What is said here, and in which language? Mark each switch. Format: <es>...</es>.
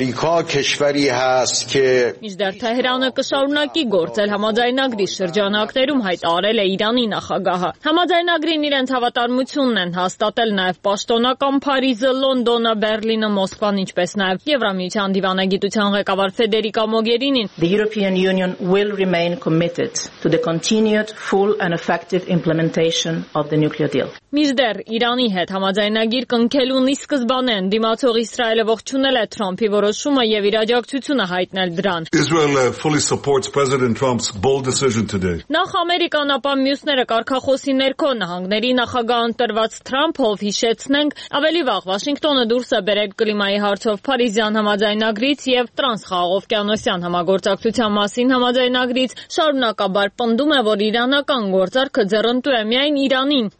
<hy>մինչդեռ Թեհրանը կշարունակի գործել համաձայնագրի շրջանակներում, հայտարել է Իրանի նախագահը։ Համաձայնագրին իրենց հավատարմությունն են հաստատել նաև Պաշտոնական Փարիզը, Լոնդոնը, Բեռլինը, Մոսկվան, ինչպես նաև Եվրամիության դիվանագիտության ղեկավար Ֆեդերիկա Մոգերինին.</hy> <en>The European Union will remain committed to the continued full and effective implementation of the nuclear deal.</en> <hy>Միջդեռ Իրանի հետ համաձայնագիր կնքելուն ի սկզբանե դիմացող Իսրայելը ողջունել է Թրամփի որոշումը եւ իրաջակցությունը հայտնել դրան։</hy> <en>Israel fully supports President Trump's bold decision today.</en> <hy>Նախ Ամերիկան, ապա մյուսները կարկախոսի ներքո նահանգների նախագահ ընտրված Թրամփով հիշեցնենք, ավելի վաղ Վաշինգտոնը դուրս է բերել կլիմայի հարցով Փարիզյան համաձայնագրից եւ Տրանսխաղաղօվկիանոսյան համագործակցության մասին համաձայնագրից, շարունակաբար պնդում է, որ իրանական գործարքը ձեռնտու է միայն Իրանին</hy>